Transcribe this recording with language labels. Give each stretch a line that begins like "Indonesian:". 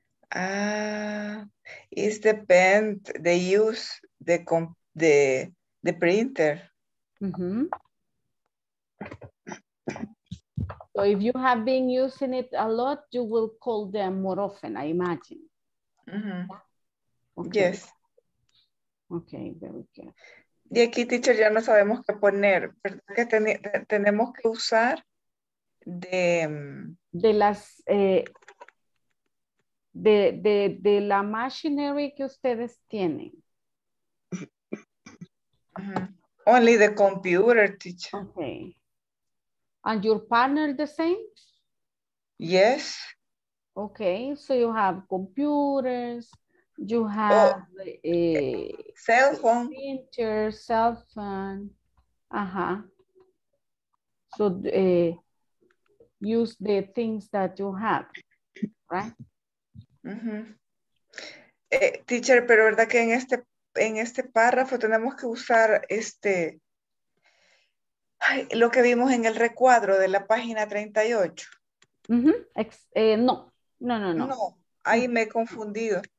English: Ah, it depends. They use the printer. Mm-hmm. So if you have been using it a lot, you will call them more often, I imagine. Mm-hmm. Okay. Yes. Okay, very good.
Spanish: Y aquí, teacher, ya no sabemos qué poner. Que tenemos que usar de la machinery que ustedes tienen.
English: Mm-hmm. Only the computer, teacher. Okay. And your partner the same? Yes. Okay, so you have computers, you have cell phone. Printer, cell phone. Uh-huh. So use the things that you have, right? Uh-huh.
Spanish: Teacher, pero verdad que en este párrafo tenemos que usar lo que vimos en el recuadro de la página 38.
English: Uh-huh. No.
Spanish: No, ahí me he confundido.